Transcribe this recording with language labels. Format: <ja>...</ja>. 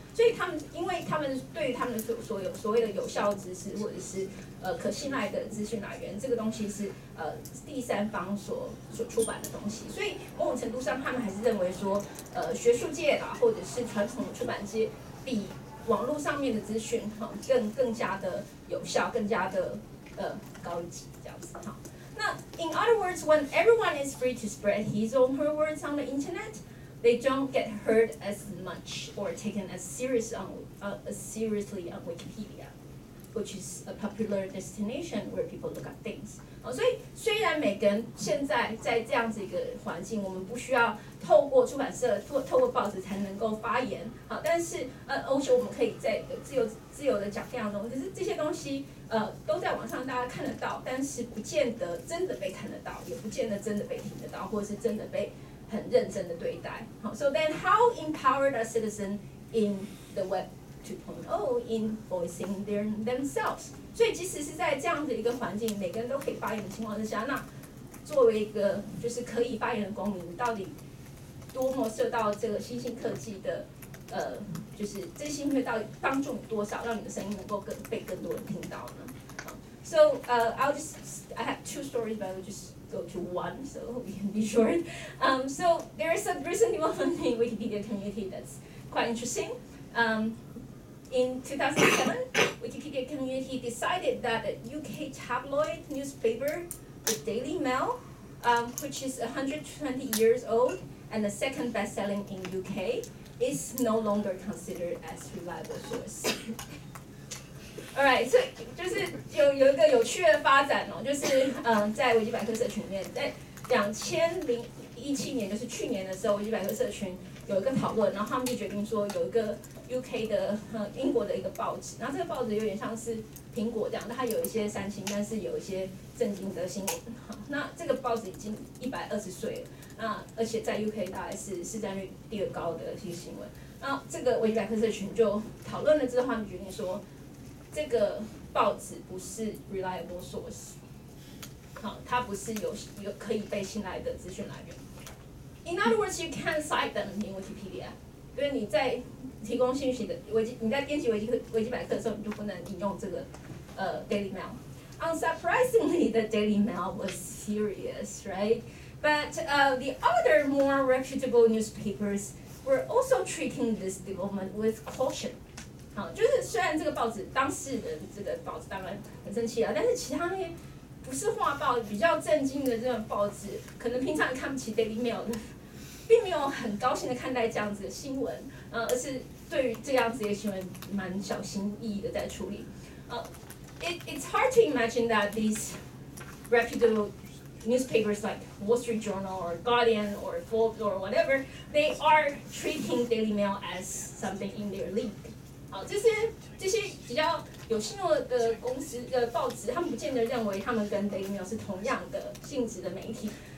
<zh>所以他们，因为他们对于他们的所谓的有效知识或者是可信赖的资讯来源，这个东西是第三方所出版的东西，所以某种程度上，他们还是认为说学术界啊，或者是传统的出版界比网络上面的资讯更加的有效，更加的高级，这样子。</zh> <en>好，那 in other words, when everyone is free to spread his or her words on the internet, they don't get heard as much or taken as seriously on Wikipedia, which is a popular destination where people look at things.</en> <zh>所以虽然每个人现在在这样子一个环境，我们不需要透过出版社、透过报纸才能够发言，好，但是欧洲我们可以在自由的讲这样的东西，就是这些东西都在网上大家看得到，但是不见得真的被看得到，也不见得真的被听得到，或者是真的被很认真的对待。</zh> <en>好 ，So then, how empowered are citizens in the web 2.0 in voicing themselves?</en> <zh>所以即使是在这样的一个环境，每个人都可以发言的情况之下，那作为一个就是可以发言的公民，到底多么受到这个新兴科技的就是这新兴到底帮助你多少，让你的声音能够被更多人听到呢？</zh> <en>So I have two stories, but I'll just go to one, so we can be short. So there is a recent development in Wikipedia community that's quite interesting. In 2007, Wikipedia community decided that a UK tabloid newspaper, the Daily Mail, which is 120 years old,and the second best-selling in UK, is no longer considered as reliable source. All right, so</en> <zh>就是有一个有趣的发展哦，就是在维基百科社群里面，在2017年，就是去年的时候，维基百科社群有一个讨论，然后他们就决定说有一个 UK 的英国的一个报纸，然后这个报纸有点像是苹果这样，它有一些三星，但是有一些震惊的新闻。那这个报纸已经120岁了。那而且在 UK 大概是市占率第二高的一些新闻，那这个维基百科社群就讨论了之后，他们决定说这个报纸不是</zh> <en>reliable source，</en> <zh>好，它不是有可以被信赖的资讯来源。</zh> <en>In other words, you can't cite them in Wikipedia，</en> <zh>因为你在提供信息的你在编辑维基百科的时候，你就不能引用这个Daily Mail。</zh> <en>Unsurprisingly, the Daily Mail was serious, right? But the other more reputable newspapers were also treating this development with caution.</en> <zh>好，就是虽然这个报纸当事人这个报纸当然很生气啊，但是其他那些不是画报比较震惊的这种报纸，可能平常看不起 Daily Mail 的，并没有很高兴的看待这样子的新闻，而是对于这样子的新闻蛮小心翼翼的在处理。</zh> <en>It's hard to imagine that these reputable newspapers like Wall Street Journal or Guardian or Forbes or whatever, they are treating Daily Mail as something in their league.</en> <zh>好，这些比较有信用的公司的报纸，他们不见得认为他们跟 Daily Mail 是同样的性质的媒体。</zh>